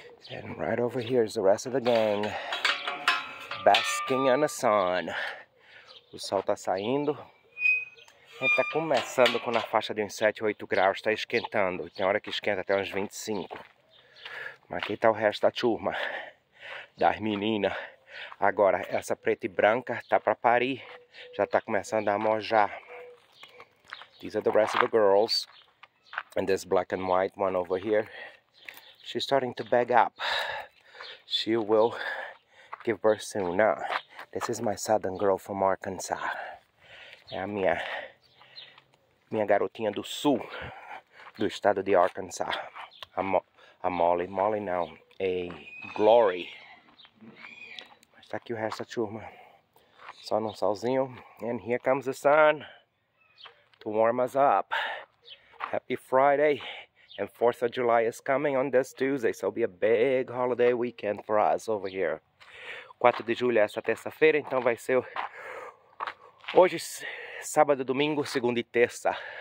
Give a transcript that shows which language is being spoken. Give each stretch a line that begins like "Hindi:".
English: And right over here is the rest of the gang. Basking in the sun.
Portuguese: O sol tá saindo. A gente tá começando com na faixa de uns 7, 8 graus. Tá esquentando. Tem hora que esquenta até uns 25. Mas aqui tá o resto da turma. Das meninas. Agora, essa preta e branca tá pra parir. Já tá começando a mojar.
English: These are the rest of the girls. And this black and white one over here. She's starting to bag up. She will give birth soon. Now, this is my southern girl from Arkansas.
Portuguese: É a minha garotinha do sul, do estado de Arkansas. A Molly. Molly não. A Glory. Mas tá aqui o resto da turma. Só num solzinho.
English: And here comes the sun to warm us up. Happy Friday. And 4th of July is coming on this Tuesday. So it'll be a big holiday weekend for us over here.
Portuguese: 4 de julho é essa terça-feira, então vai ser hoje, sábado, domingo, segunda e terça.